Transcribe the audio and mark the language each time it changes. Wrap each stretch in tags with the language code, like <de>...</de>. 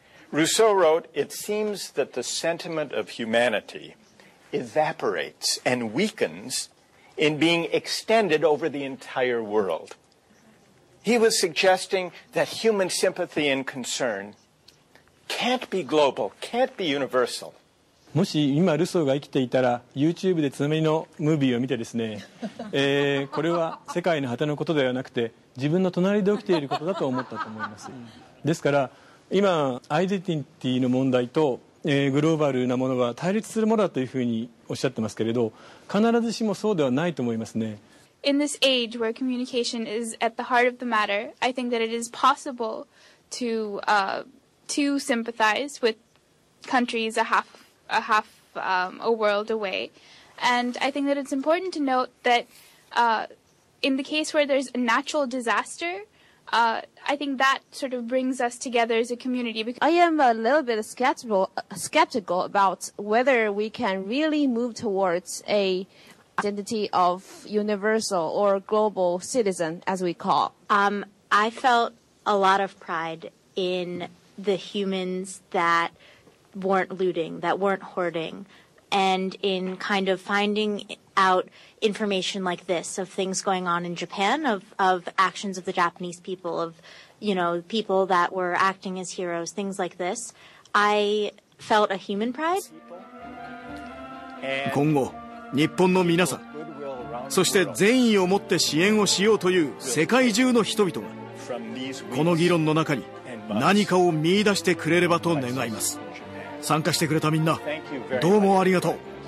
<en>Rousseau wrote, "It seems that the sentiment of humanity evaporates and weakens in being extended over the entire world." He was suggesting that human sympathy and concern can't be global, can't be universal.</en> <ja>もし今ルソーが生きていたら、 YouTube でつまみのムービーを見てですね、これは世界の果てのことではなくて自分の隣で起きていることだと思ったと思います。ですから今アイデンティティの問題とグローバルなものは対立するものだというふうにおっしゃってますけれど、必ずしもそうではないと思いますね。</ja> <en>In this age where communication is at the heart of the matter, I think that it is possible to sympathize with countries a world away. And I think that it's important to note that in the case where there's a natural disaster, I think that sort of brings us together as a community. I am a little bit skeptical about whether we can really move towards a identity of universal or global citizen, as we call. I felt a lot of pride in the humans that weren't looting, that weren't hoarding, and in kind of finding out information like this of things going on in Japan, of actions of the Japanese people, of, you know, people that were acting as heroes, things like this. I felt a human pride.</en> <ja>今後、日本の皆さん、そして善意を持って支援をしようという世界中の人々が、この議論の中に何かを見出してくれればと願います。参加してくれたみんな、どうもありがとう。</ja>